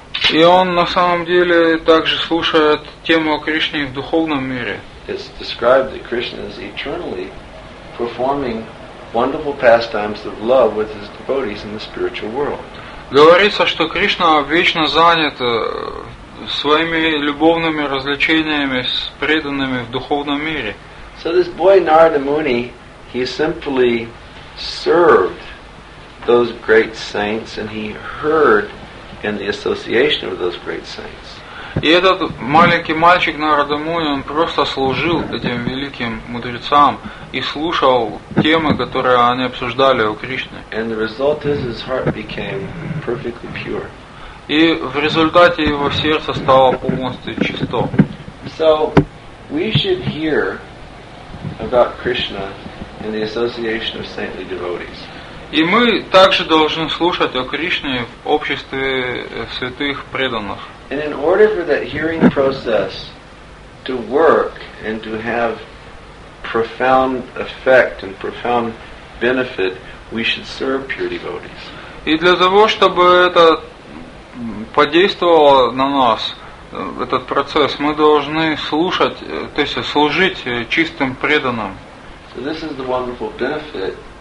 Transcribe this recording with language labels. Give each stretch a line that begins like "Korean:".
Russian: И он на самом деле также слушает тему о Кришне в духовном мире.
English: It's described that Krishna is eternally performing wonderful pastimes of love with his devotees in the spiritual world.
Russian: Говорится, что Кришна вечно занят своими любовными развлечениями с преданными в духовном мире.
English: So this boy Narada Muni, he simply served those great saints and he heard in the association of those great saints.
Russian: И этот маленький мальчик Нарада Муни, он просто служил этим великим мудрецам и слушал темы, которые они обсуждали о Кришне.
English: And the result is his heart became perfectly pure.
Russian: И в результате его сердце стало полностью чисто.
English: So we should hear about Krishna in the association of saintly devotees.
Russian: И мы также должны слушать о Кришне в обществе святых преданных.
English: And in order for that hearing process to work and to have profound effect and profound benefit, we should serve pure devotees.
Russian: И для того, чтобы это подействовало на нас этот процесс, мы должны слушать, то есть служить чистым преданным.
English: So this is the wonderful benefit